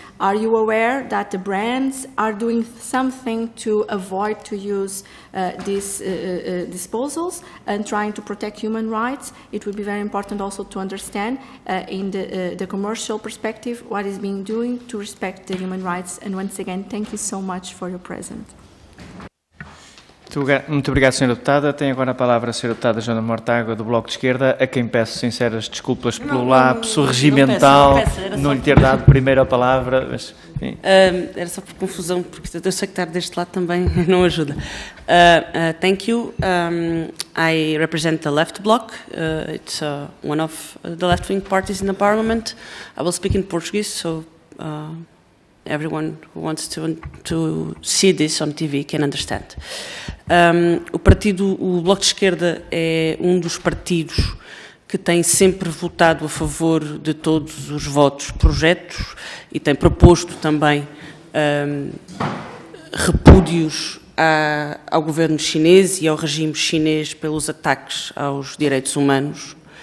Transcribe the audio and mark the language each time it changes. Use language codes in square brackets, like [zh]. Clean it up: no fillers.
[en] Are you aware that the brands are doing something to avoid to use these disposals and trying to protect human rights? It would be very important also to understand in the commercial perspective what is being doing to respect the human rights. And once again, thank you so much for your presence. [pt] Muito obrigado, Sra. Deputada. Tem agora a palavra a Sra. Deputada Joana Mortágua, do Bloco de Esquerda, a quem peço sinceras desculpas pelo lapso regimental, não lhe ter dado primeiro a palavra. Mas, era só por confusão, porque eu sei que estar deste lado também não ajuda. [en] Thank you. I represent the left bloc. It's one of the left-wing parties in the parliament. I will speak in Portuguese, so everyone who wants to see this on TV can understand. [pt] O Bloco de Esquerda é um dos partidos que tem sempre votado a favor de todos os votos projetos e tem proposto também repúdios ao governo chinês e ao regime chinês pelos ataques aos direitos humanos.